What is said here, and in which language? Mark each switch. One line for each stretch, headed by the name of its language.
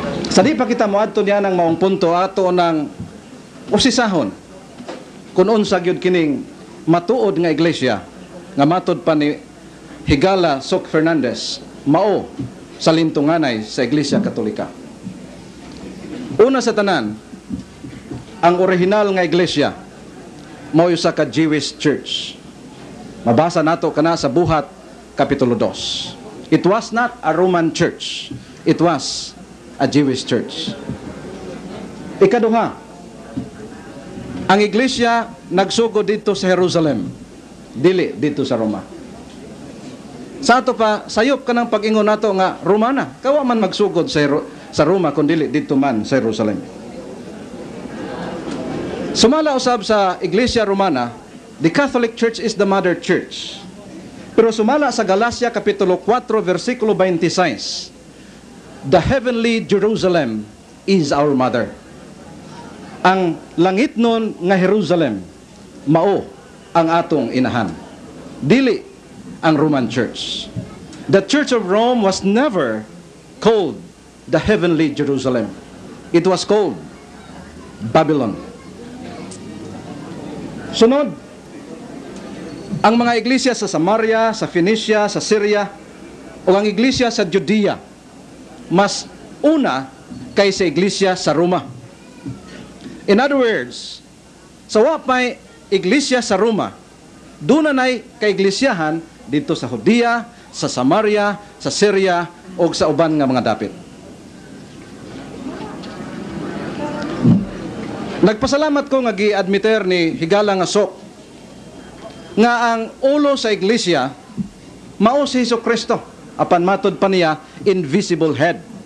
Cebuano: Sa di pa kita moadto niya ng maong punto ato ng usisahon kun unsa gyud kining matuod nga iglesia nga matod pa ni Higala Sok Fernandez mao sa lintunganay sa Iglesia Katolika. Una sa tanan, ang orihinal nga iglesia mao usa ka Jewish church. Mabasa nato kana sa Buhat Kapitulo 2.
English: It was not a Roman church. It was a Jewish church.
Cebuano: Ikaduha, ang iglesia nagsugo dito sa Jerusalem, dili dito sa Roma. Sa ato pa, sayop ka ng pag-ingon nato nga Romana. Kawa man magsugod sa Roma kung dili dito man sa Jerusalem. Sumala usab sa Iglesia Romana,
English: the Catholic Church is the Mother Church.
Cebuano: Pero sumala sa Galacia Kapitulo 4, Versikulo 26,
English: the heavenly Jerusalem is our mother.
Cebuano: Ang langit nun nga Jerusalem, mao ang atong inahan. Dili ang Roman Church.
English: The Church of Rome was never called the heavenly Jerusalem. It was called Babylon.
Cebuano: Sunod, ang mga iglesia sa Samaria, sa Phoenicia, sa Syria, o ang iglesia sa Judea, mas una kaysa iglesia sa Roma.
English: In other words,
Cebuano: sa wapay iglesia sa Roma, doon na ay kaiglesiahan dito sa Judea, sa Samaria, sa Syria, o sa uban ng mga dapit. Nagpasalamat ko nga gi-admiter ni Higala nga Sok nga ang ulo sa iglesia mao si Hesus Kristo apan matod pa niya invisible head.